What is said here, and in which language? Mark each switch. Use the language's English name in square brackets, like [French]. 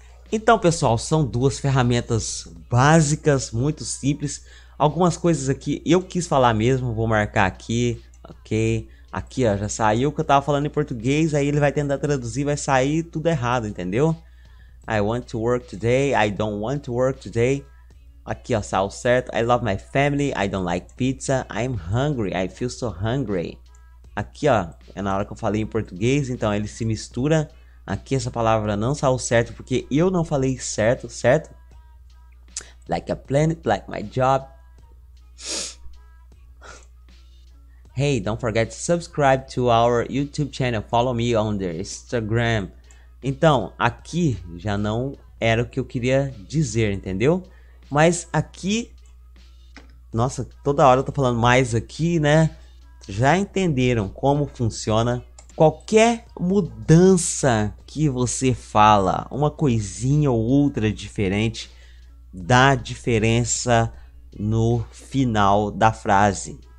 [Portuguese] Então, pessoal, são duas ferramentas básicas, muito simples. Algumas coisas aqui eu quis falar mesmo, vou marcar aqui, ok? Aqui, ó, já saiu o que eu tava falando em português, aí ele vai tentar traduzir, vai sair tudo errado, entendeu? [English] I want to work today, I don't want to work today. [Portuguese] Aqui, ó, saiu certo. [English] I love my family, I don't like pizza, I'm hungry, I feel so hungry. [Portuguese] Aqui, ó, é na hora que eu falei em português, então ele se mistura. Aqui essa palavra não saiu certo porque eu não falei certo, certo? [English] Like a planet, like my job. Hey, don't forget to subscribe to our YouTube channel. Follow me on the Instagram. [Portuguese] Então, aqui já não era o que eu queria dizer, entendeu? Mas aqui... Nossa, toda hora eu tô falando mais aqui, né? Já entenderam como funciona... Qualquer mudança que você fala, uma coisinha ou outra diferente, dá diferença no final da frase.